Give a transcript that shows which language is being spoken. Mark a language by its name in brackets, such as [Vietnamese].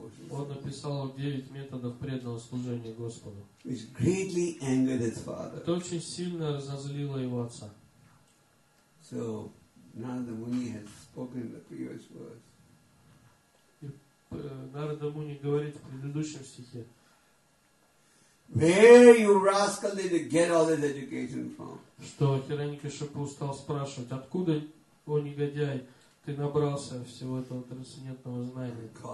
[Russian] Он написал 9 методов преданного служения Господу. Это очень сильно разозлило его отца. [English] So Narada Muni has spoken the previous words. [Russian] Нарада Муни говорит в предыдущем стихе. [English] Where you rascally to get all this education from? [Russian] Что Хираньякашипу стал спрашивать, откуда, о негодяй, ты набрался всего этого трансцендентного знания?